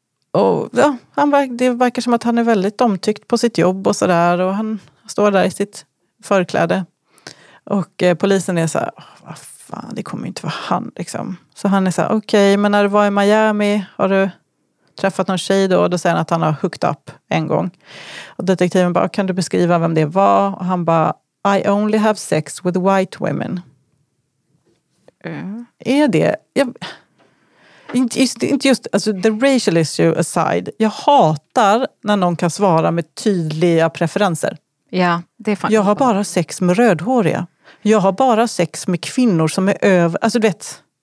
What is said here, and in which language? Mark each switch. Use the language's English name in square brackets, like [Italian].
[Swedish] Och ja, det verkar som att han är väldigt omtyckt på sitt jobb och sådär. Och han står där i sitt förkläde. Och polisen är så här, vad fan, det kommer ju inte vara han liksom. Så han är så här, okej, men när du var i Miami, har du träffat någon tjej då? Och då säger han att han har [English] hooked up [Swedish] en gång. Och detektiven bara, kan du beskriva vem det var? [English] Och han bara, I only have sex with white women. [Swedish] Är det... Inte just, alltså [English] the racial issue aside, [Swedish] jag hatar när någon kan svara med tydliga preferenser. Ja, det är fan. Jag har bara sex med rödhåriga. Jag har bara sex med kvinnor som är över... Alltså du vet...